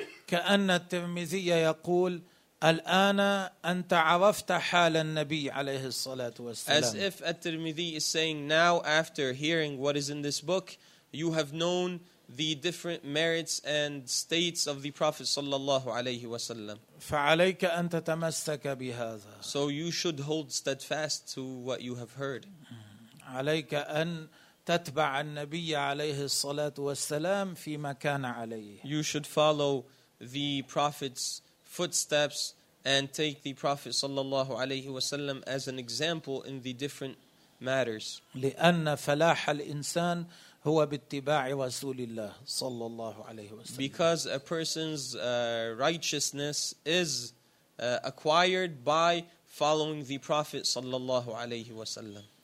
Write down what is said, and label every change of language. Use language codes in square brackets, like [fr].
[ar] كأن الترمذي يقول الآن أنت عرفت حال النبي عليه الصلاة والسلام. [en] As if الترمذي is saying, now after hearing what is in this book, you have known the different merits and states of the Prophet [ar] صلى الله عليه وسلم. فعليك أن تتمسك بهذا. [en] So you should hold steadfast to what you have heard. [ar] عليك أن تتبع النبي عليه الصلاة والسلام في ما كان عليه. [en] You should follow the Prophet's footsteps and take the Prophet [ar] صلى الله عليه وسلم [en] as an example in the different matters. [ar] لأن فلاح الإنسان هو باتباع رسول الله صلى الله عليه وسلم. [en] Because a person's righteousness is acquired by following the Prophet [ar] صلى الله عليه وسلم.